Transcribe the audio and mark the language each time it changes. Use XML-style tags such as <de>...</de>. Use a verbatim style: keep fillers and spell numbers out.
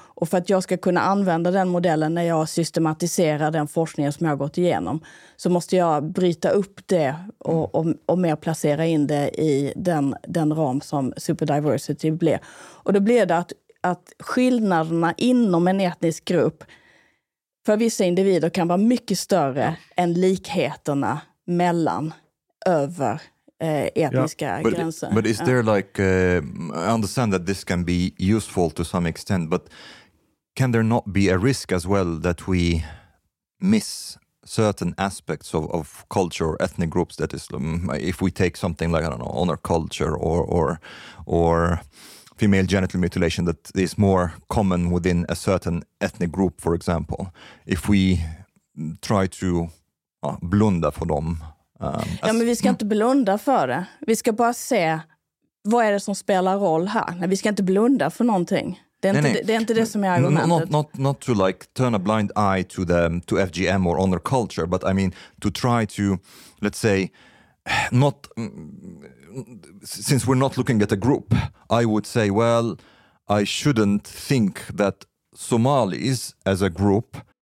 <sv>Och för att jag ska kunna använda den modellen när jag systematiserar den forskningen som jag har gått igenom, så måste jag bryta upp det och, och, och mer placera in det i den, den ram som superdiversity blev. Och då blir det att, att skillnaderna inom en etnisk grupp för vissa individer kan vara mycket större än likheterna mellan över Uh, etniska</sv> <en>yeah. but,</en> <sv>gränser.</sv> <en>But is there like, uh, I understand that this can be useful to some extent, but can there not be a risk as well that we miss certain aspects of, of culture or ethnic groups? That is, um, if we take something like, I don't know, honor culture or or or female genital mutilation that is more common within a certain ethnic group, for example, if we try to uh, blunda for them.</en> <sv>Um, ja, men vi ska inte blunda för det. Vi ska bara se vad är det som spelar roll här. Nej, vi ska inte blunda för någonting. Det är, nej, inte, nej. Det är inte det som är argumentet.</sv> <en>Not, not, not to like turn a blind eye to, the, to F G M or honor culture, but I mean to try to, let's say, not, since we're not looking at a group, I would say, well, I shouldn't think that Somalis as a group.</en>